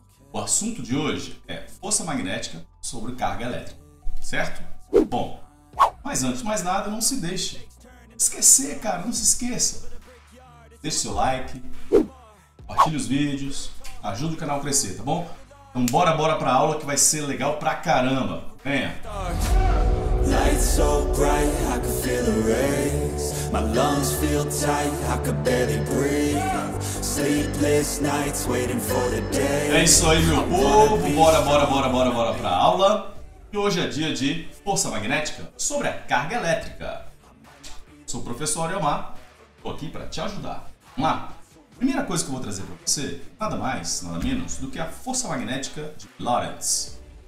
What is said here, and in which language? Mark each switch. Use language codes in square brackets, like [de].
[pt] O assunto de hoje é força magnética sobre carga elétrica. Certo? Bom, mas antes de mais nada, não se deixe esquecer, cara, não se esqueça. Deixe seu like, compartilhe os vídeos, ajude o canal a crescer, tá bom? Então bora pra aula que vai ser legal pra caramba. Venha! [en] Light so bright, I can feel the rays. My lungs feel tight, I can barely breathe. Sleepless nights waiting for the day. [pt] É isso aí, meu povo! Bora pra aula. E hoje é dia de força magnética sobre a carga elétrica. Sou o professor Ariomar, tô aqui pra te ajudar. Vamos lá! Primeira coisa que eu vou trazer para você, nada mais, nada menos, do que a força magnética de Lorentz.